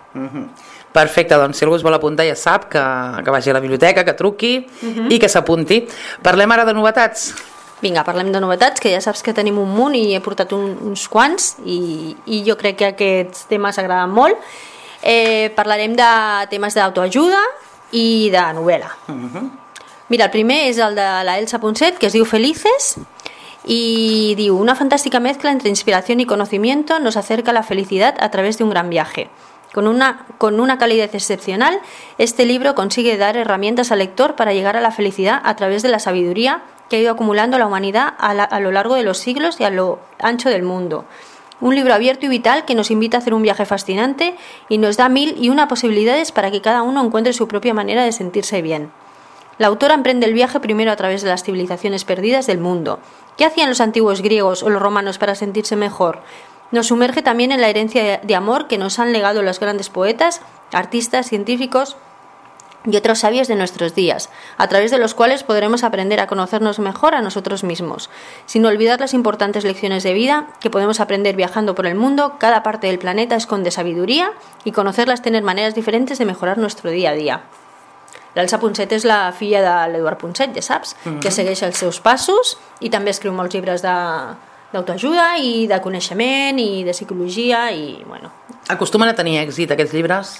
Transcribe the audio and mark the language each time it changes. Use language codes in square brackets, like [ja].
[ca] Mm-hmm. Perfecte, doncs si algú es vol apuntar ja sap que vagi a la biblioteca, que truqui i que s'apunti. Parlem ara de novetats. Vinga, parlem de novetats, que ja saps que tenim un munt i he portat uns quants i jo crec que aquests temes agraden molt. Parlarem de temes d'autoajuda i de novel·la. Mira, el primer és el de la Elsa Ponset, que es diu Felices, i diu: [es] una fantàstica mezcla entre inspiración y conocimiento nos acerca a la felicidad a través de un gran viaje. Con una calidez excepcional, este libro consigue dar herramientas al lector para llegar a la felicidad a través de la sabiduría que ha ido acumulando la humanidad a lo largo de los siglos y a lo ancho del mundo. Un libro abierto y vital que nos invita a hacer un viaje fascinante y nos da mil y una posibilidades para que cada uno encuentre su propia manera de sentirse bien. La autora emprende el viaje primero a través de las civilizaciones perdidas del mundo. ¿Qué hacían los antiguos griegos o los romanos para sentirse mejor? Nos sumerge también en la herencia de amor que nos han legado los grandes poetas, artistas, científicos y otros sabios de nuestros días, a través de los cuales podremos aprender a conocernos mejor a nosotros mismos, sin olvidar las importantes lecciones de vida que podemos aprender viajando por el mundo. Cada parte del planeta esconde sabiduría y conocerlas tiene maneras diferentes de mejorar nuestro día a día. [ca] L'Elsa Ponset és la filla de l'Eduard Ponset, ja saps, que segueix els seus passos i també escriu molts llibres d'autoajuda i de coneixement i de psicologia i, bueno... Acostumen a tenir èxit aquests llibres?